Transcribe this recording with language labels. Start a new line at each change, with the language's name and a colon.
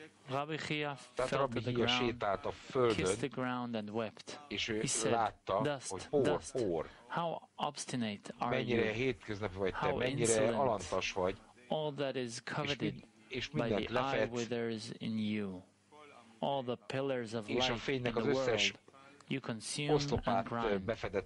English: Rabbi Hiya felt the ground, kissed the ground and wept. He said, dust, dust, how obstinate are you?
Hungarian: Mennyire hétköznapi vagy te, mennyire alantas vagy.
English: All that is coveted by the eye withers in you. All the pillars of life in the world, you consume and grind.